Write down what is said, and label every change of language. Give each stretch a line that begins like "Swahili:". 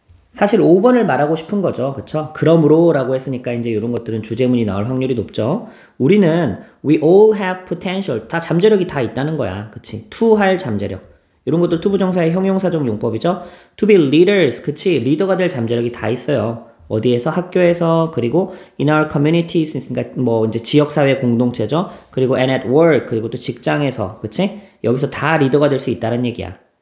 Korean: 사실 5번을 말하고 싶은 거죠. 그쵸? 그러므로 라고 했으니까 이제 이런 것들은 주제문이 나올 확률이 높죠. 우리는
English: we all have potential.
Korean: 다 잠재력이 다 있다는 거야. 그치? to 할 잠재력. 이런 것도 to 부정사의 형용사적 용법이죠.
English: to be leaders.
Korean: 그치? 리더가 될 잠재력이 다 있어요. 어디에서? 학교에서, 그리고
English: in our communities,
Korean: 그러니까 뭐 이제 지역사회 공동체죠. 그리고
English: and at work,
Korean: 그리고 또 직장에서, 그치? 여기서 다 리더가 될수 있다는 얘기야.